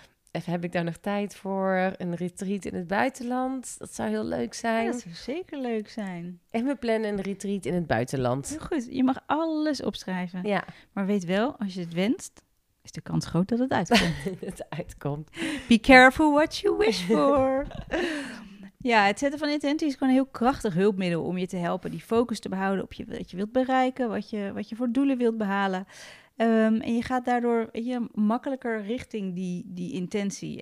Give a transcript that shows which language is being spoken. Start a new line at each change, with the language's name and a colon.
Dutch: Even, heb ik daar nog tijd voor? Een retreat in het buitenland. Dat zou heel leuk zijn. Ja, dat zou zeker leuk zijn. En we plannen een retreat in het buitenland. Heel goed. Je mag alles opschrijven. Ja. Maar weet wel, als je het wenst, is de kans groot dat het uitkomt. Het uitkomt.
English: Be careful what you wish for.
Dutch: Ja, het zetten van intenties is gewoon een heel krachtig hulpmiddel om je te helpen die focus te behouden op wat je wilt bereiken, wat je voor doelen wilt behalen. En je gaat daardoor makkelijker richting die intentie.